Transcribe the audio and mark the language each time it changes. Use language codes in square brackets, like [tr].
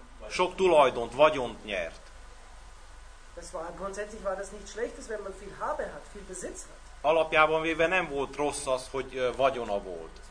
[hu] Sok tulajdont, vagyont nyert. [de] Das war grundsätzlich war das nicht schlechtes, wenn man viel Habe hat, viel Besitz hat. [hu] Alapjában véve nem volt rossz az, hogy vagyona volt.